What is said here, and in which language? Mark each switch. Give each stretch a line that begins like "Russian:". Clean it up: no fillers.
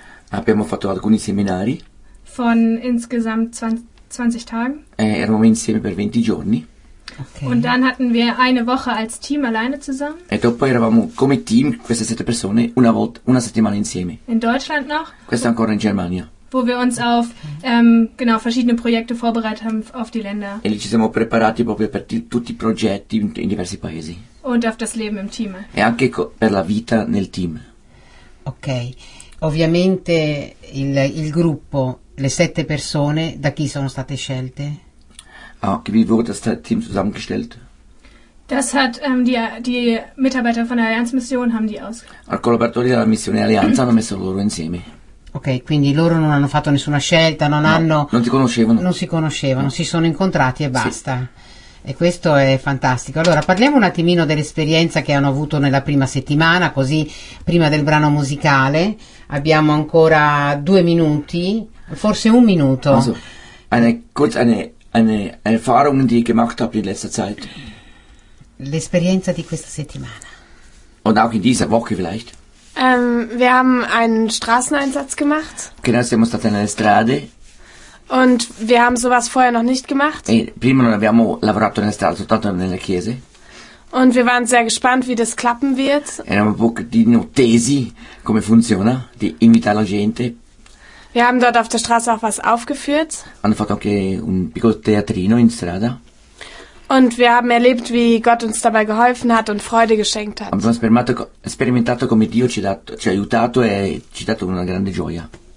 Italian: Abbiamo fatto alcuni seminari.
German: Von insgesamt 20 Tagen.
Italian: Eravamo insieme per 20 giorni. Okay.
German: Und dann hatten wir eine Woche als Team alleine zusammen.
Italian: E dopo eravamo come team, queste sette persone, una settimana insieme.
German: In Deutschland noch.
Italian: Questa ancora in Germania.
German: Wo wir uns auf genau verschiedene Projekte vorbereitet haben auf die Länder.
Italian: E lì ci siamo preparati proprio per tutti i progetti in diversi paesi.
German: Und auf das Leben im Team.
Italian: E anche per la vita nel team. Ok, ovviamente il gruppo, le sette persone, da chi sono state scelte?
German: Ah, wie wurde das Team zusammengestellt? Das hat die Mitarbeiter von der Allianz Mission haben die
Italian: Al collaboratori della missione Allianz hanno messo loro insieme. Ok, quindi loro non hanno fatto nessuna scelta, non si conoscevano. Non si conoscevano, no. Si sono incontrati e basta. Sì. E questo è fantastico. Allora, parliamo un attimino dell'esperienza che hanno avuto nella prima settimana, così prima del brano musicale. Abbiamo ancora due minuti, forse un minuto.
German: Erfahrungen, die ich gemacht habe in letzter Zeit.
Italian: L'esperienza di questa settimana.
German: Und auch in dieser Woche vielleicht. Wir haben einen Straßeneinsatz gemacht.
Italian: Genau, siamo stati nelle strade.
German: Und wir haben sowas vorher noch nicht gemacht.
Italian: E prima non abbiamo lavorato nelle strade, soltanto nelle chiese.
German: Und wir waren sehr gespannt, wie das klappen wird.
Italian: Eravamo un pochettino tesi, come funziona, di invitare la gente.
German: Wir haben dort auf der Straße auch was aufgeführt.
Italian: Hanno fatto anche un piccolo teatrino in strada.
German: Und wir haben erlebt, wie Gott uns dabei geholfen hat und Freude geschenkt hat.
Italian: Abbiamo sperimentato come Dio ci ha aiutato e ci ha dato una grande gioia.